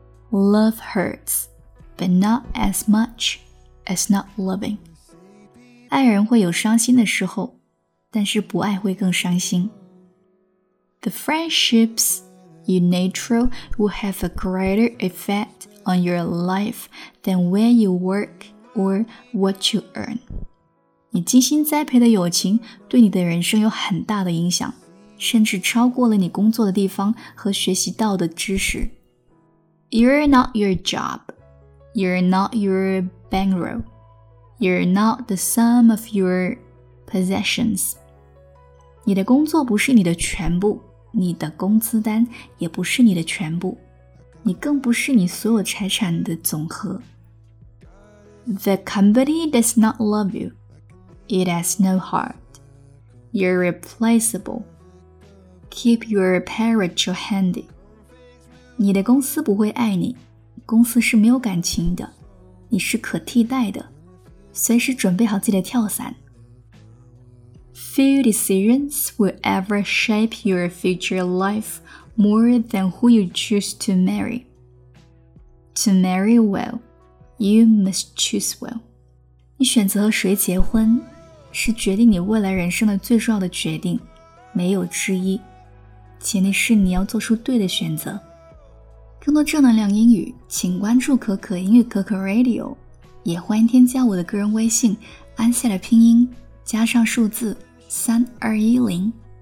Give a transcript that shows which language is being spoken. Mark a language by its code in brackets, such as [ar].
[en] Love hurts, but not as much as not loving。 [zh] 爱人会有伤心的时候，但是不爱会更伤心。 [en] The friendships you nurture will have a greater effect on your life than where you work or what you earn。 [zh] 你精心栽培的友情对你的人生有很大的影响，甚至超过了你工作的地方和学习到的知识。 [en] You're not your job. You're not your bankroll. You're not the sum of your possessions. [zh] 你的工作不是你的全部，你的工资单也不是你的全部，你更不是你所有财产的总和。 [en] The company does not love you. It has no heart. You're replaceable. Keep your parachute handy. [zh] 你的公司不会爱你，公司是没有感情的，你是可替代的，随时准备好自己的跳伞。 [en] Few decisions will ever shape your future life more than who you choose to marry. To marry well, you must choose well. [zh] 你选择和谁结婚，是决定你未来人生的最重要的决定，没有之一。前提是你要做出对的选择。更多正能量英语，请关注可可英语可可 Radio， 也欢迎添加我的个人微信安夏的拼音加上数字3210。